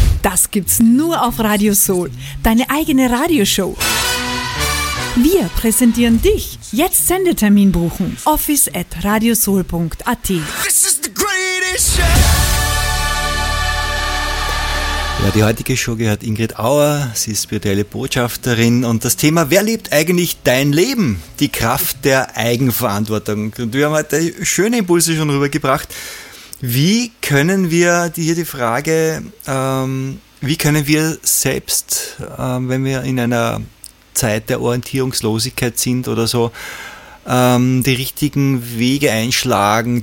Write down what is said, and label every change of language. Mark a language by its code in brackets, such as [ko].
[de] Das gibt's nur auf Radio Soul. Deine eigene Radioshow. Wir präsentieren dich. Jetzt Sendetermin buchen. [en] office@radiosoul.at. This is the greatest show. [de] Ja, die heutige Show gehört Ingrid Auer, sie ist spirituelle Botschafterin und das Thema, wer lebt eigentlich dein Leben? Die Kraft der Eigenverantwortung. Und wir haben heute schöne Impulse schon rübergebracht. Wie können wir hier die Frage, wie können wir selbst, wenn wir in einer Zeit der Orientierungslosigkeit sind oder so, die richtigen Wege einschlagen?